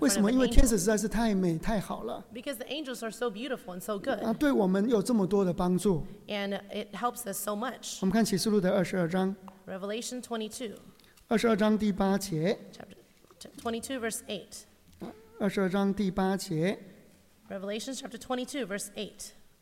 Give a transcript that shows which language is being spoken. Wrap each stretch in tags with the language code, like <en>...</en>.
<zh>为什么？因为天使实在是太美太好了。</zh> <en>Because the angels are so beautiful and so good.</en> <zh>对我们有这么多的帮助。</zh> <en>And it helps us so much.</en> <zh>我们看启示录的22章。</zh> <en>Revelation 22.</en> <zh>22章第8节。</zh> <en>Chapter 22, verse</en> <zh>8. 22章第8节。</zh> <en>Revelation chapter 22, verse 8.</en>